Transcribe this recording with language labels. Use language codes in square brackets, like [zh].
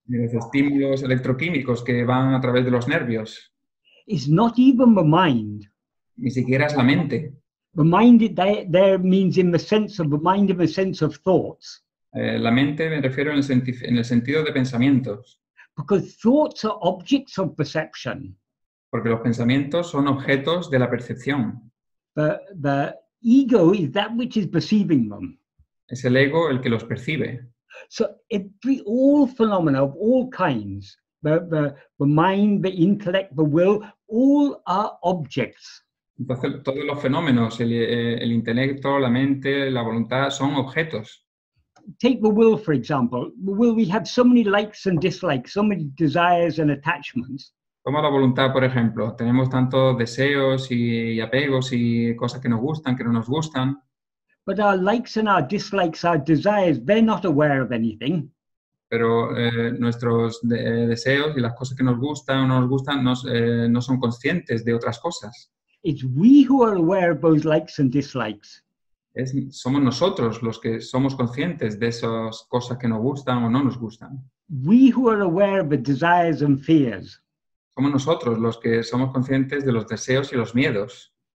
[es] Ni los estímulos electroquímicos que van a través de los nervios. [en] It's not even the mind. [es] Ni siquiera es la mente. [en] The mind there means in the sense of the mind in the sense of thoughts. [es] La mente me refiero en el sentido de pensamientos. [en] Because thoughts are objects of perception. [es] Porque los pensamientos son objetos de la percepción. [en] The ego is that which is perceiving them. [es] Es el ego el que los percibe. [en] So all phenomena of all kinds, the mind, the intellect, the will, all are objects. [es] Entonces, todos los fenómenos, el intelecto, la mente, la voluntad, son objetos. [en] Take the will, for example. The will, we have so many likes and dislikes, so many desires and attachments. [es] Toma la voluntad, por ejemplo. Tenemos tantos deseos y apegos y cosas que nos gustan, que no nos gustan. [en] But our likes and our dislikes, our desires, they're not aware of anything. [es] Pero nuestros deseos y las cosas que nos gustan o no nos gustan no son conscientes de otras cosas. [en] It's we who are aware of those likes and dislikes. [es] Somos nosotros los que somos conscientes de esas cosas que nos gustan o no nos gustan. [en] We who are aware of the desires and fears. [es] Somos nosotros los que somos conscientes de los deseos y los miedos.